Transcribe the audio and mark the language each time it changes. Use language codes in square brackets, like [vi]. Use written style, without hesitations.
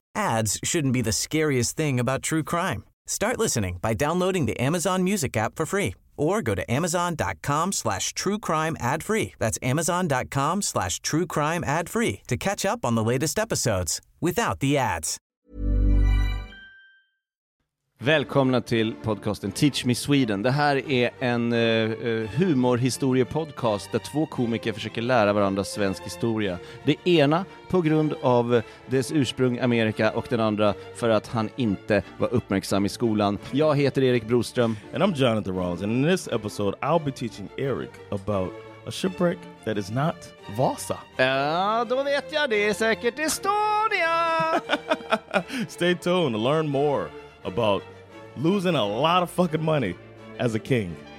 [en] Ads shouldn't be the scariest thing about true crime. Start listening by downloading the Amazon Music app for free or go to amazon.com/truecrimeadfree. That's amazon.com/truecrimeadfree to catch up on the latest episodes without the ads. [sv] Välkomna till podcasten Teach Me Sweden. Det här är en humorhistoriepodcast där två komiker försöker lära varandra svensk historia. Det ena på grund av dess ursprung Amerika och den andra för att han inte var uppmärksam i skolan. Jag heter Erik Broström. [en] And I'm Jonathan Rawls. And in this episode I'll be teaching Eric about a shipwreck that is not Vasa. [sv] Ja, då vet jag. Det är säkert Estonia. [en] Stay tuned. Learn more about losing a lot of fucking money as a king.